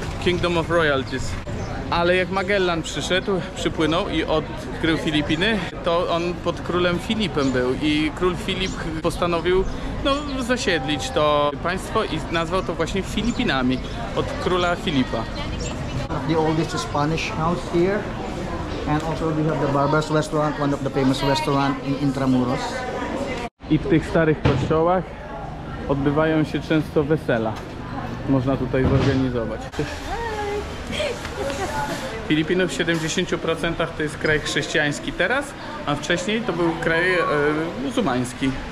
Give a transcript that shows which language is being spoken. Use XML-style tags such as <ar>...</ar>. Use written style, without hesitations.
<en>Kingdom of Royalties.</en> <pl>Ale jak Magellan przyszedł, przypłynął i odkrył Filipiny, to on pod królem Filipem był i król Filip postanowił zasiedlić to państwo i nazwał to właśnie Filipinami od króla Filipa.</pl> <en>The oldest Spanish house here and also we have the Barber's Restaurant, one of the famous restaurant in Intramuros.</en> <pl>I w tych starych kościołach odbywają się często wesela. Można tutaj zorganizować. Filipiny w 70% to jest kraj chrześcijański teraz, a wcześniej to był kraj muzułmański.</pl>